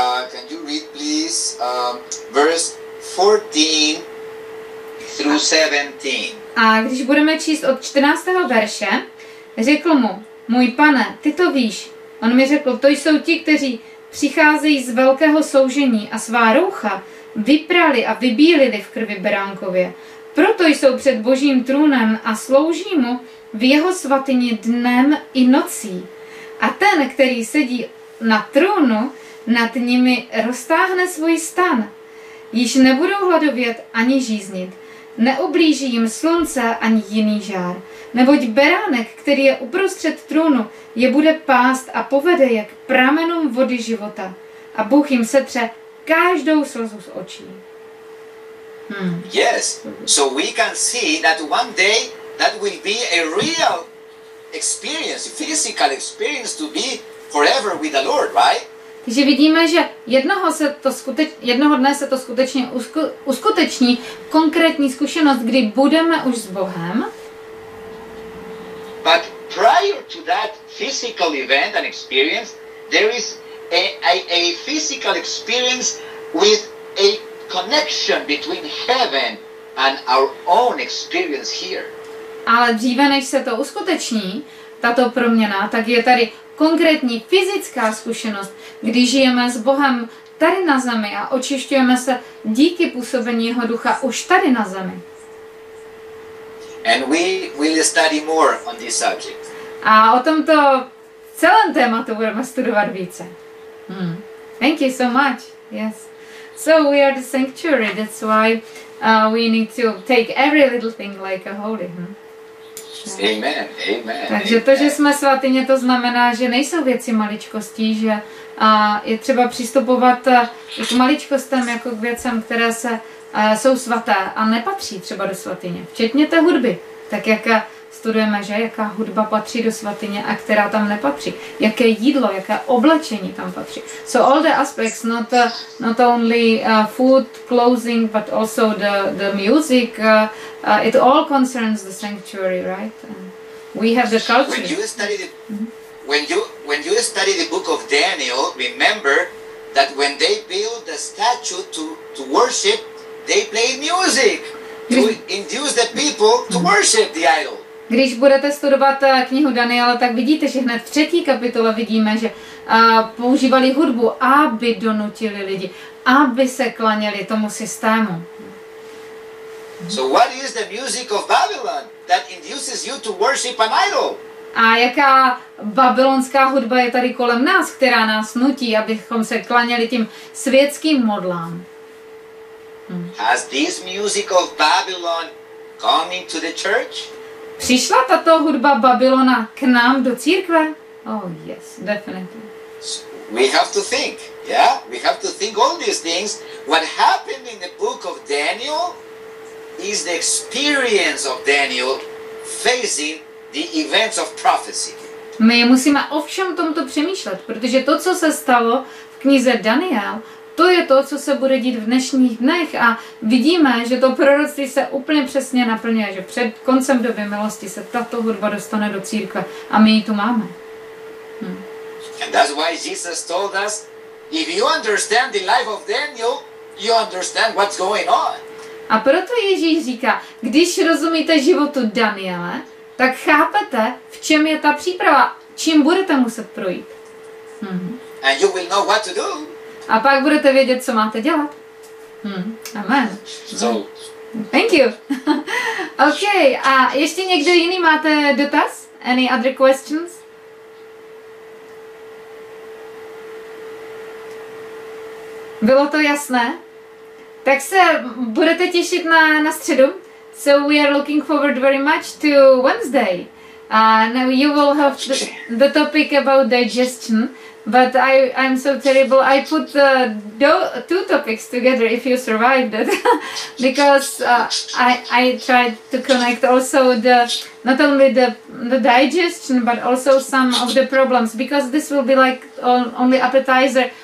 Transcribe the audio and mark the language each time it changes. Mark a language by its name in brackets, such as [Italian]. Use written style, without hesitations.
[English] Can you read please verse 14 through 17? [Czech] A když budeme číst od 14. verše, řekl mu: Můj pane, ty to víš. On mi řekl: To jsou ti, kteří přicházejí z velkého soužení a svá roucha vyprali a vybílili v krvi Beránkově. Proto jsou před Božím trůnem a slouží mu v jeho svatyni dnem i nocí. A ten, který sedí na trůnu, nad nimi roztáhne svůj stan. Již nebudou hladovět ani žíznit. Neublíží jim slunce ani jiný žár. Neboť Beránek, který je uprostřed trůnu, je bude pást a povede je k pramenům vody života. A Bůh jim setře každou slzu z očí. [English] Yes, so we can see that one day that will be a real experience, physical experience to be forever with the Lord, right? [Czech] Takže vidíme, že jednoho dne se to skutečně uskuteční konkrétní zkušenost, kdy budeme už s Bohem. [English] But prior to that physical event and experience, there is a physical experience with a connection between heaven and our own experience here. [Czech] Ale dříve než se to uskuteční, tato proměna, tak je tady konkrétní fyzická zkušenost, kdy žijeme s Bohem tady na zemi a očišťujeme se díky působení jeho ducha už tady na zemi. [English] And we will study more on this subject. [Czech] A o tomto celém tématu budeme studovat více. [English] Thank you so much. Yes. So we are the sanctuary, that's why we need to take every little thing like a holy. Amen. [Czech] Takže to, že jsme svatyně, to znamená, že nejsou věci maličkostí, že je třeba přistupovat k maličkostem jako k věcem, které se jsou svaté a nepatří třeba do svatyně. Včetně té hudby. Tak jak studujeme, že jaká hudba patří do svatyně a která tam nepatří. Jaké jídlo, jaké oblečení tam patří. [English] So all the aspects, not only food, clothing, but also the music, it all concerns the sanctuary, right? We have the culture. When you study the, when you study the book of Daniel, remember that when they build the statue to worship, they play music to induce the people to worship the idol. [Czech] Když budete studovat knihu Daniela, tak vidíte, že hned v 3. kapitole vidíme, že používali hudbu, aby donutili lidi, aby se klaněli tomu systému. [English] So what is the music of Babylon that induces you to worship an idol? [Czech] A jaká babylonská hudba je tady kolem nás, která nás nutí, abychom se klaněli tím světským modlám? [English] Has this music of Babylon come into the church? [Czech] Přišla tato hudba Babylona k nám do církve? [English] Oh yes, definitely. We have to think, yeah? We have to think all these things. What happened in the book of Daniel is the experience of Daniel facing the events of prophecy. [Czech] My musíme o všem tomto přemýšlet, protože to, co se stalo v knize Daniel, to je to, co se bude dít v dnešních dnech a vidíme, že to proroctví se úplně přesně naplňuje, že před koncem doby milosti se tato hudba dostane do církve a my ji tu máme. [English] And that's why Jesus told us, if you understand the life of Daniel, you understand what's going on. [Czech] A proto Ježíš říká, když rozumíte životu Daniele, tak chápete, v čem je ta příprava, čím budete muset projít. [English] And you will know what to do. [Czech] A pak budete vědět, co máte dělat. [English] Amen. So. Thank you. [Czech] Okay, a ještě někdo jiný máte dotaz? [English] Any other questions? [Czech] Bylo to jasné? Tak se budete těšit na středu. [English] So we are looking forward very much to Wednesday. Now you will have the topic about digestion. But I'm so terrible. I put two topics together if you survived it, because I tried to connect also the not only the digestion but also some of the problems, because this will be like only appetizer